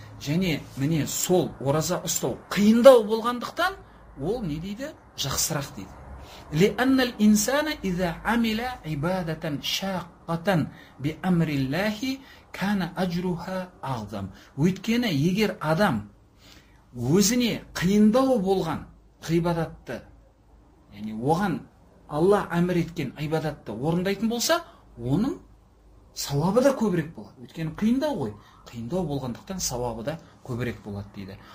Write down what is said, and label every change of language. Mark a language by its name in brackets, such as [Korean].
[Kazakh] Және міне сол ораза ұстау қиындау болғандықтан ол не дейді? Жақсырақ дейді. [Arabic] لأن الإنسان إذا عمل عبادة شاقة بأمر الله كان أجرها أعظم. [Kazakh] Өйткені егер адам өзіне қиындау болған ғибадатты, яғни оған Алла әмір еткен ғибадатты орындайтын болса, оның сауабы да көбірек болады. Өйткені қиындау ғой. Қиындау болғандықтан сауабы да көбірек болады дейді.